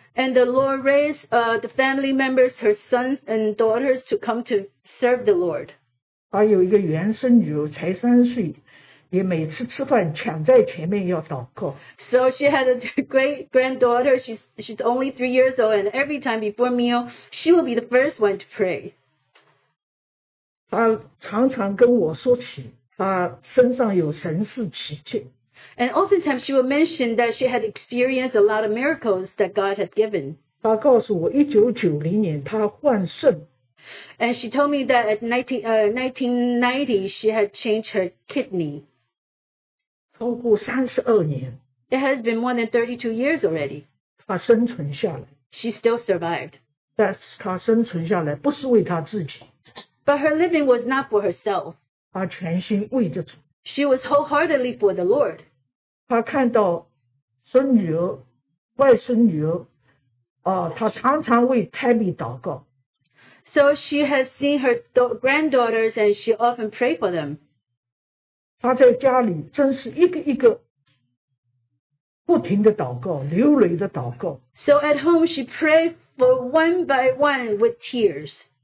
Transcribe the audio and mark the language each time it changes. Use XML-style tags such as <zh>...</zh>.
<en>And the Lord raised the family members, her sons and daughters, to come to serve the Lord.</en> <zh>她有一个原生女儿，才三岁，也每次吃饭抢在前面要祷告。</zh> <en>So she had a great granddaughter. She's only 3 years old, and every time before meal, she will be the first one to pray.</en> <zh>她常常跟我说起，她身上有神事奇迹。</zh> <en>And oftentimes she would mention that she had experienced a lot of miracles that God had given.</en> <zh>她告诉我1990年她换肾。</zh> <en>And she told me that at 1990 she had changed her kidney.</en> <zh>超过32年。</zh> <en>It has been more than 32 years already.</en> <zh>她生存下来。</zh> <en>She still survived.</en> <zh>但是她生存下来不是为她自己。</zh> <en>But her living was not for herself.</en> <zh>她全心为着主。</zh> <en>She was wholeheartedly for the Lord.</en> <zh>她看到孙女儿、外孙女儿，她常常为Tammy祷告。</zh> <en>So she has seen her granddaughters and she often prayed for them.</en> <zh>她在家里真是一个一个不停的祷告，流泪的祷告。</zh> <en>So at home she prayed for one by one with tears.</en>